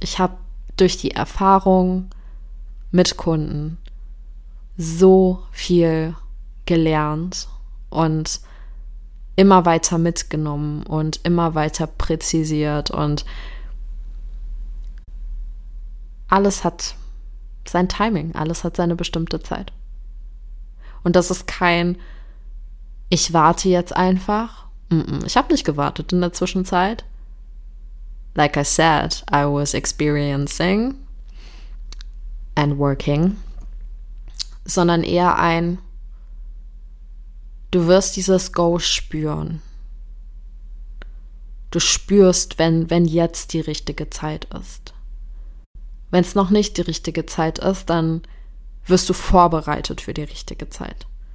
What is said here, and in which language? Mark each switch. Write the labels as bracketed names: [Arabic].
[German] Ich habe durch die Erfahrung mit Kunden so viel gelernt und immer weiter mitgenommen und immer weiter präzisiert und alles hat sein Timing, alles hat seine bestimmte Zeit. Und das ist kein, ich warte jetzt einfach. Ich habe nicht gewartet in der Zwischenzeit. [English] Like I said, I was experiencing and working. [German] Sondern eher ein, du wirst dieses Go spüren. Du spürst, wenn jetzt die richtige Zeit ist. Wenn es noch nicht die richtige Zeit ist, dann wirst du vorbereitet für die richtige Zeit.